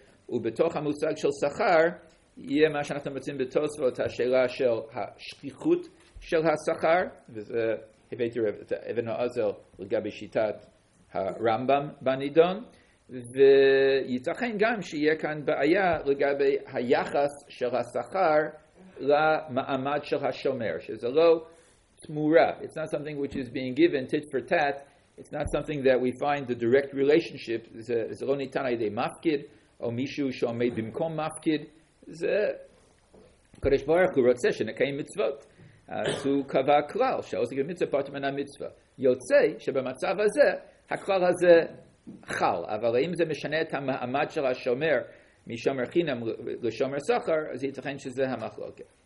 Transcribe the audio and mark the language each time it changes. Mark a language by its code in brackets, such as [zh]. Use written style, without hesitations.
[he] ובתוך המושג של שכר יהיה מה שאנחנו מוצאים בתוספות, השאלה של השכיחות של השכר, וזה הבאתי את אבן העזר לגבי שיטת הרמב״ם בנידון, וייתכן גם שיהיה כאן בעיה לגבי היחס של השכר למעמד של השומר, שזה לא תמורה. [en] It's not something which is being given tit for tat. It's not something that we find the direct relationship. [he] זה לא ניתן על ידי מפקיד, או מישהו שעומד במקום מפקיד. זה קדש ברוך הוא רוצה שנקיים מצוות. אז הוא קבע כלל שעוסק במצווה פטור מן המצווה. יוצא שבמצב הזה, הכלל הזה חל. אבל אם זה משנה את המעמד של השומר, משומר חינם לשומר סחר, אז ייתכן שזה המחלוקת.